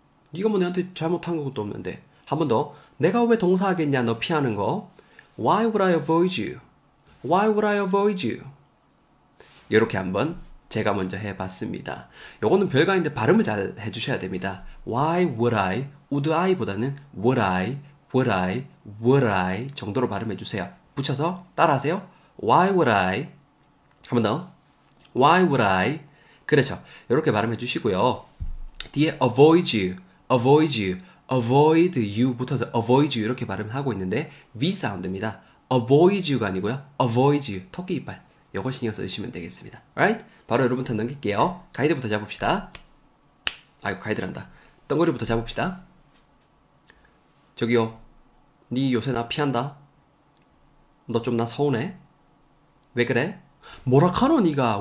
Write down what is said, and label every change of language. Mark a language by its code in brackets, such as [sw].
[ko] 네가 뭐 내한테 잘못한 것도 없는데. 한 번 더. 내가 왜 동사하겠냐? 너 피하는 거. [en] Why would I avoid you? Why would I avoid you? [ko] 이렇게 한번 제가 먼저 해봤습니다. 요거는 별거인데 발음을 잘 해주셔야 됩니다. [en] Why would I? Would I [ko] 보다는 [en] would I, would I, would I [ko] 정도로 발음해 주세요. 붙여서 따라하세요. [en] Why would I? [ko] 한번 더. Why would I? 그렇죠. 이렇게 발음해 주시고요. 뒤에 [en] avoid you, avoid you, avoid you [ko] 붙어서 [en] avoid you [ko] 이렇게 발음하고 있는데 V 사운드입니다. [en] Avoid you [ko] 가 아니고요. Avoid you, 토끼 이빨. 이거 신경 써주시면 되겠습니다. [en] Right? [ko] 바로 여러분부터 넘길게요. 가이드부터 잡읍시다. 아이고, 가이드란다. 덩어리부터 잡읍시다. 저기요. 니 요새 나 피한다. 너 좀 나 서운해? 왜 그래? 뭐라 카노 니가?